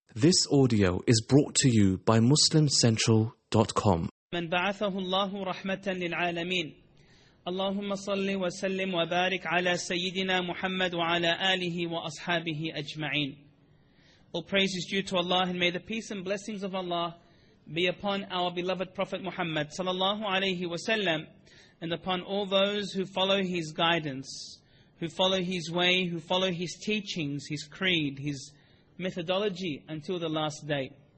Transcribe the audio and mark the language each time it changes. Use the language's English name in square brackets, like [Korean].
[English] This audio is brought to you by MuslimCentral.com. [Arabic] من بعثه الله رحمة للعالمين. اللهم صل وسلم وبارك على سيدنا محمد وعلى آله وأصحابه أجمعين. [English] All praise is due to Allah, and may the peace and blessings of Allah be upon our beloved Prophet Muhammad sallallahu alayhi wasallam, and upon all those who follow his guidance, who follow his way, who follow his teachings, his creed, his methodology until the last day.